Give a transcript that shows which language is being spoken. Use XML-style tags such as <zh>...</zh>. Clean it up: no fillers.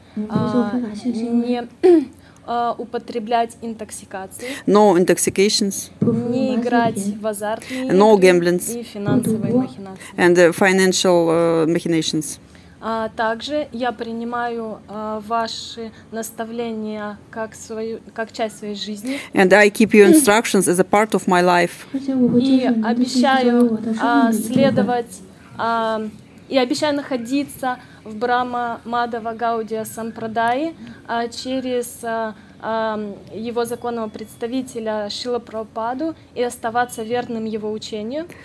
<ru>Не употреблять интоксикации.</ru> <en>No intoxications.</en> <ru>Не играть в азартные игры.</ru> <en>No gamblings.</en> <ru>И финансовые махинации.</ru> <en>And financial machinations.</en> <ru>Также я принимаю ваши наставления как свою, как часть своей жизни.</ru> <en>And I keep your instructions as a part of my life.</en> <ru>И обещаю следовать, и обещаю находиться в Брама Мадава Гаудия Сампрадайи через его законного представителя Шрила Прабхупаду и оставаться верным его учению.</ru>